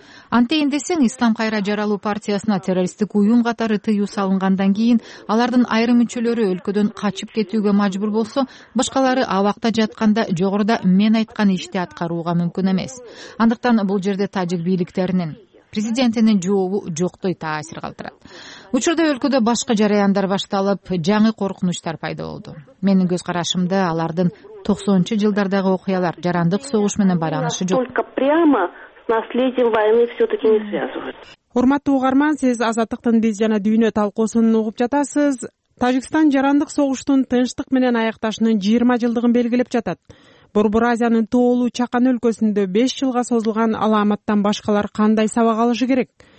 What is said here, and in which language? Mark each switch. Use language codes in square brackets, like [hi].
[ky] Антейин десең, Ислам кайра жаралуу партиясына террористтик уюм катары тыюу салынгандан кийин алардын айрым мүчөлөрү өлкөдөн качып кетүүгө мажбур болсо, башкалары абакта жатканда жогоруда мен айткан ишти аткарууга мүмкүн эмес. Андыктан бул жерде тажик бийликтеринин президентинин жообу жоктой таасир калтырат. Учурда өлкөдө башка жараяндар башталып, жаңы коркунучтар пайда болду. Менин көз карашымда алардын 90-жы жылдардагы окуялар жарандык согуш менен байланышы жок. [ru] Только прямо с наследием войны всё-таки не связывают. [ky] Урматтуу угарман, сиз азаттыктын биз жана дүйнө талкуусун угуп жатасыз. Тажикстан жарандык согуштун тынчтык менен аякташынын 20 жылдыгын белгилеп жатат. Борбор Азиянын тоолуу чакан өлкөсүндө 5 жылга созулган аламаттан башкалар кандай сабак алышы керек?